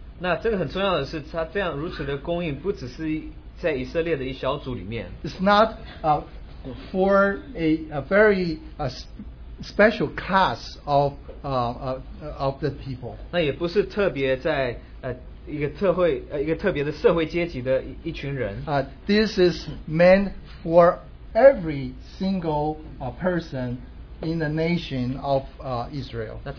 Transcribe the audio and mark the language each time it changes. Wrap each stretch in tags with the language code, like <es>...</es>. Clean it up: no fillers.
<zh>那这个很重要的是，他这样如此的供应，不只是在以色列的一小组里面。</zh> <en>It's not for a very special class of the people.</en> <zh>那也不是特别在 一个特会，一个特别的社会阶级的一群人。</zh> <en>This is meant for every single person in the nation of Israel.</en>